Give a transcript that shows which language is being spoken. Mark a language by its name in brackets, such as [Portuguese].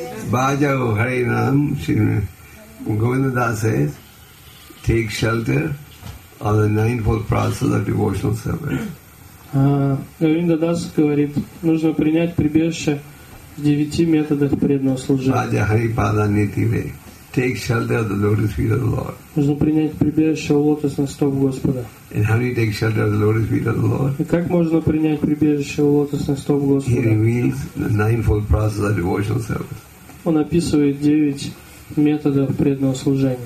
[English] Bhaja Hari Nam, Govinda Das says, take shelter of the ninefold process of devotional service. [Russian] Govinda Das говорит, нужно принять прибежище в девяти методах преданного служения. [English] Bhaja Hari Pada Nitive, take shelter of the lotus feet of the Lord. [Russian] Нужно принять прибежище у лотосных стоп Господа. [English] And how do you take shelter of the lotus feet of the Lord? [Russian] И как можно принять прибежище у лотосных стоп Господа? [English] He reveals the ninefold process of devotional service. [Russian] Он описывает девять методов преданного служения.